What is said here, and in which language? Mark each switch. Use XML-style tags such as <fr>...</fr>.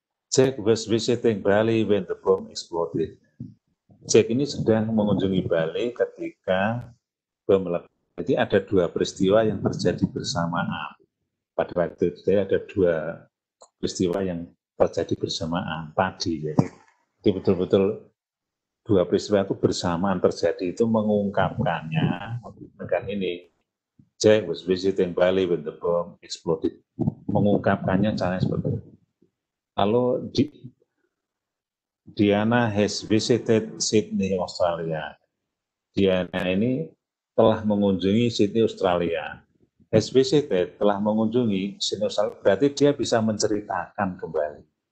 <en>Jack was visiting Bali when the bomb exploded.</en> <id>Jack ini sedang mengunjungi Bali ketika bom meledak. Jadi ada dua peristiwa yang terjadi bersamaan. Pada waktu itu ada dua peristiwa yang terjadi bersamaan tadi. Jadi betul-betul dua peristiwa itu bersamaan terjadi itu mengungkapkannya. Dengan ini,</id> <en>Jack was visiting Bali when the bomb exploded.</en> <id>Mengungkapkannya caranya seperti itu. Lalu</id> <en>Diana has visited Sydney, Australia.</en> <id>Diana ini telah mengunjungi Sydney, Australia.</id> <en>Has visited,</en> <id>telah mengunjungi Sydney, Australia. Berarti dia bisa menceritakan kembali.</id>